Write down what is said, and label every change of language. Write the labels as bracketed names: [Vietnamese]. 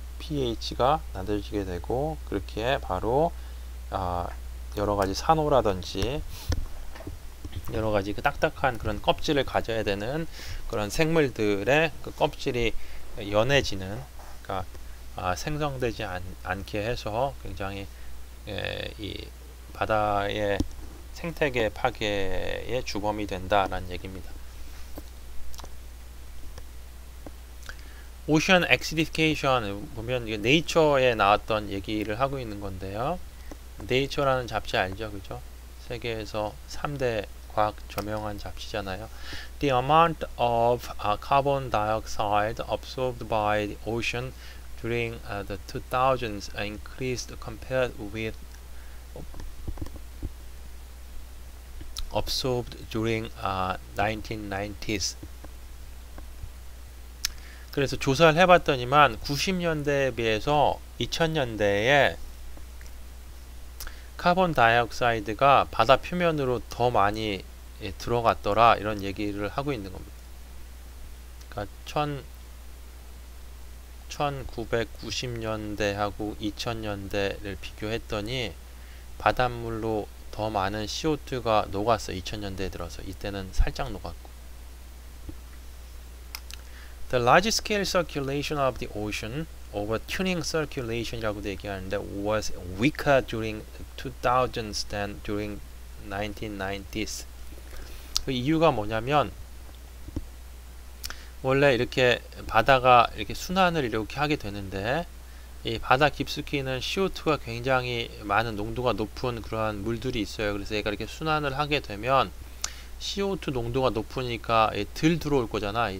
[Korean] pH가 낮아지게 되고 그렇게 바로 여러 가지 산호라든지 여러 가지 그 딱딱한 그런 껍질을 가져야 되는 그런 생물들의 그 껍질이 연해지는 그러니까 생성되지 않게 해서 굉장히 이 바다의 생태계 파괴의 주범이 된다라는 얘기입니다. Ocean acidification 보면 이게 네이처에 나왔던 얘기를 하고 있는 건데요. 네이처라는 잡지 알죠? 그죠? 세계에서 3대 과학 저명한 잡지잖아요. [English] The amount of carbon dioxide absorbed by the ocean during the 2000s increased compared with absorbed during 1990s. [Korean] 그래서 조사를 해봤더니만 90년대에 비해서 2000년대에 카본 다이옥사이드가 바다 표면으로 더 많이 들어갔더라 이런 얘기를 하고 있는 겁니다. 그러니까 1990년대하고 2000년대를 비교했더니 바닷물로 더 많은 CO2가 녹았어. 2000년대에 들어서 이때는 살짝 녹았고. [English] The large scale circulation of the ocean over tuning circulation [Korean] 이라고 얘기하는데 [English] was weaker during the 2000s than during 1990s. [Korean] 그 이유가 뭐냐면 원래 이렇게 바다가 이렇게 순환을 이렇게 하게 되는데 이 바다 깊숙이는 CO2가 굉장히 많은 농도가 높은 그러한 물들이 있어요. 그래서 얘가 이렇게 순환을 하게 되면 CO2 농도가 높으니까 덜 들어올 거잖아.